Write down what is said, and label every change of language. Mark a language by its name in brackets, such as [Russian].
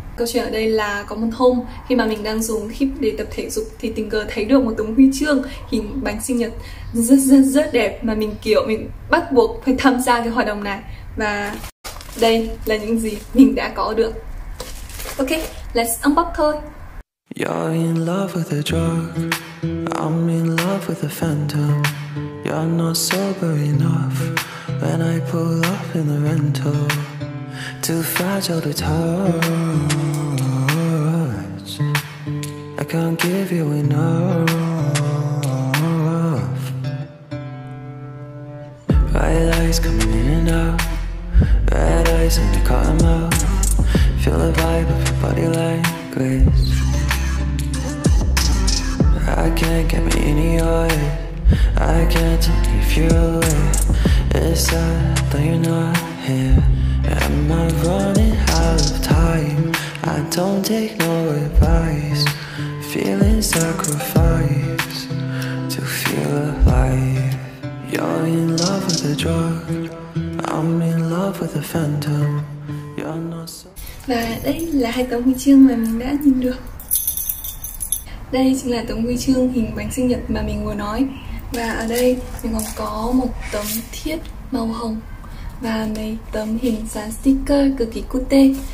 [Vietnamese] Câu chuyện ở đây là có một hôm khi mà mình đang dùng Keep để tập thể dục thì tình cờ thấy được một tấm huy chương hình bánh sinh nhật rất đẹp, mà mình kiểu mình bắt buộc phải tham gia cái hoạt động này. Và đây là những gì mình đã có được. [English] Ok, let's unbox thôi. You're in love with the drug, I'm in love with the phantom. You're not sober enough when I pull up in the rental. Too fragile to touch, I can't give you enough. Bright eyes coming in and out, red eyes in the cotton mouth. Feel the vibe of your body like this. I can't get me in your head, I can't tell you if you're aware. It's sad that you're not here. Am I running out of time? I don't take no advice. Feeling sacrificed to feel alive. You're in love with the drug, I'm in love with the phantom. You're not so. [Vietnamese] Và đây là hai tấm huy chương mà mình đã nhìn được. Đây chính là tấm huy chương hình bánh sinh nhật mà mình vừa nói. Và ở đây mình còn có một tấm thiết màu hồng và mấy tấm hình dán sticker cực kỳ cute.